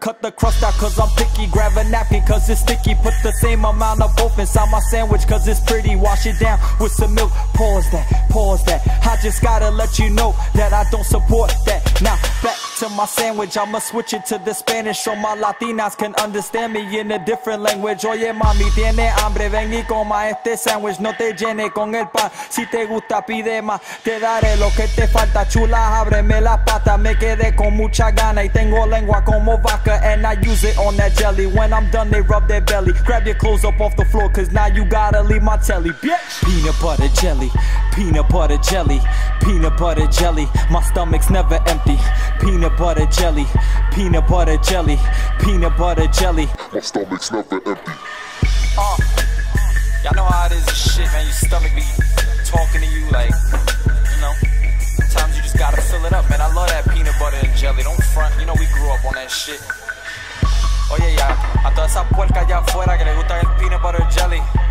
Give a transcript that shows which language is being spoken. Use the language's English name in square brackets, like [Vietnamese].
[English] Cut the crust out cause I'm picky. Grab a napkin cause it's sticky. Put the same amount of both inside my sandwich cause it's pretty. Wash it down with some milk. Pause that. I just gotta let you know that I don't support that. Now, back to my sandwich. I'ma switch it to the Spanish so my Latinas can understand me in a different language. [Spanish] Oye mami, tiene hambre, ven y coma este sandwich. No te llene con el pan, si te gusta pide más. Te daré lo que te falta, chula, ábreme las patas. Me quedé con mucha gana y tengo lengua como vaca. [English] And I use it on that jelly, when I'm done they rub their belly. Grab your clothes up off the floor, cause now you gotta leave my telly, bitch. Peanut butter jelly, peanut butter jelly, peanut butter jelly. My stomach's never empty. Peanut butter jelly, peanut butter jelly, peanut butter jelly. My stomach's never empty. Y'all know how it is, shit, man. Your stomach be talking to you like, you know. Sometimes you just gotta fill it up, man. I love that peanut butter and jelly. Don't front. You know we grew up on that shit. [Spanish] Oye, ya, a toda esa puerca allá afuera que le gusta el peanut butter and jelly.